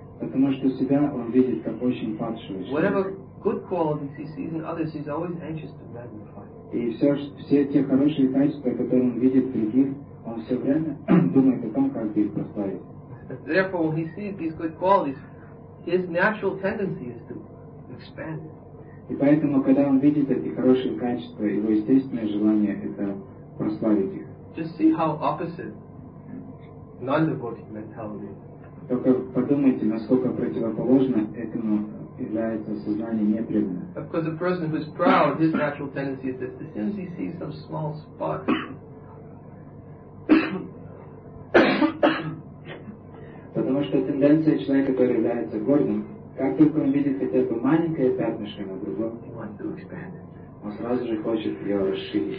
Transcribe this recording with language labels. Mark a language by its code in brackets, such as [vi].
[ru] Потому что себя он видит как очень падшего человека. [en] Whatever good qualities he sees in others, he's always anxious to magnify. [ru] И все те хорошие качества, которые он видит в других, он все время думает о том, как их прославить. [en] Therefore, when he sees these good qualities, his natural tendency is to expand. [ru] И поэтому, когда он видит эти хорошие качества, его естественное желание это прославить их. [en] Just see how opposite non-devotee mentality. [ru] Только подумайте, насколько противоположно этому является сознание непреданное. [en] Of course, a person who is proud, his natural tendency is that as soon as he sees some small spot, [ru] потому что тенденция человека, который является гордым, как только он видит хотя бы маленькое пятнышко на другом, [en] he wants to expand it. [ru] Он сразу же хочет ее расширить.